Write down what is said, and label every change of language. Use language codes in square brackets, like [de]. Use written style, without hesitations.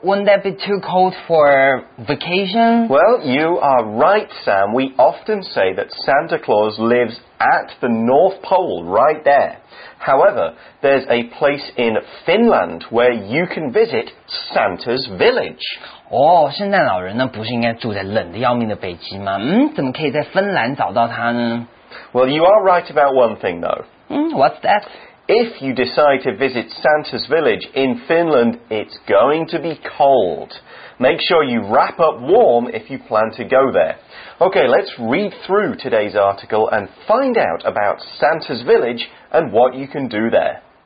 [en] Wouldn't that be too cold for vacation? Well, you are right, Sam. We often say that Santa Claus lives at the North Pole, right there. However, there's a place in Finland where you can visit Santa's village. [zh] 哦，圣诞老人呢，不是应该住在冷得要命的北极吗？嗯，怎么可以在芬兰找到他呢？ [en] Well, you are right about one thing, though. What's that? If you decide to visit Santa's village in Finland, it's going to be cold. Make sure you wrap up warm if you plan to go there. Okay, let's read through today's article and find out about Santa's village and what you can do there.